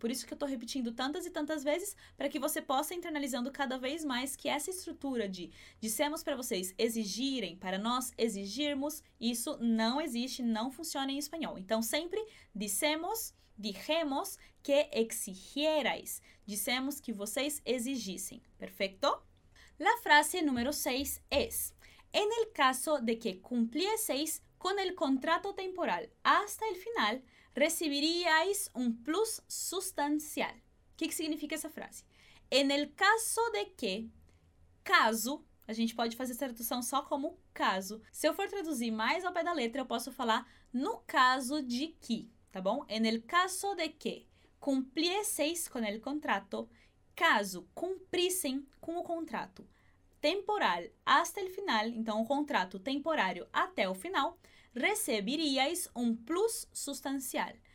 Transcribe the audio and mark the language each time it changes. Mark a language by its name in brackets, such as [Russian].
[Portuguese] Por isso que eu tô repetindo tantas e tantas vezes, para que você possa internalizando cada vez mais que essa estrutura de dissemos para vocês exigirem, para nós exigirmos, isso não existe, não funciona em espanhol. Então, [Spanish] sempre dijemos que exigierais. [Portuguese] Dissemos que vocês exigissem. [Spanish] Perfecto? La frase número 6 es: en el caso de que cumplieseis con el contrato temporal hasta el final, recibiríais un plus sustancial. ¿Qué significa esa frase? En el caso de que, [Portuguese] caso, a gente pode fazer essa tradução só como caso. Se eu for traduzir mais ao pé da letra, eu posso falar no caso de que, tá bom? [Spanish] En el caso de que cumplieseis con el contrato, [Portuguese] caso cumprissem com o contrato temporal [Spanish] hasta el final, [Portuguese] então o contrato temporário até o final, receberíais [Spanish] un plus sustancial.